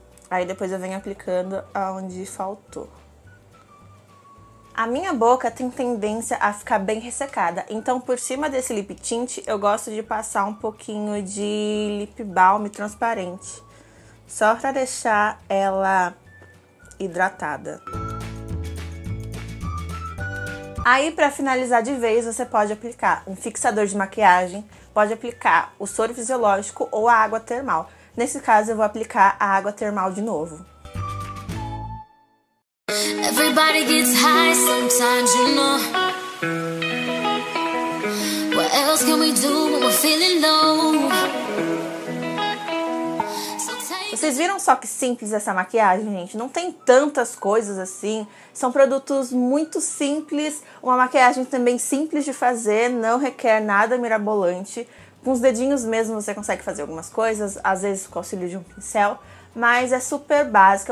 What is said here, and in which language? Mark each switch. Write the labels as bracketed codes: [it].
[pt] Aí depois eu venho aplicando aonde faltou. A minha boca tem tendência a ficar bem ressecada, então por cima desse lip tint eu gosto de passar um pouquinho de lip balm transparente, só pra deixar ela hidratada. Aí, pra finalizar de vez, você pode aplicar um fixador de maquiagem, pode aplicar o soro fisiológico ou a água termal. Nesse caso, eu vou aplicar a água termal de novo. [en] Everybody gets high sometimes, you know. What else can we do when we're feeling low? [pt] Vocês viram só que simples essa maquiagem, gente? Não tem tantas coisas assim. São produtos muito simples. Uma maquiagem também simples de fazer. Não requer nada mirabolante. Com os dedinhos mesmo você consegue fazer algumas coisas. Às vezes com o auxílio de um pincel. Mas é super básica.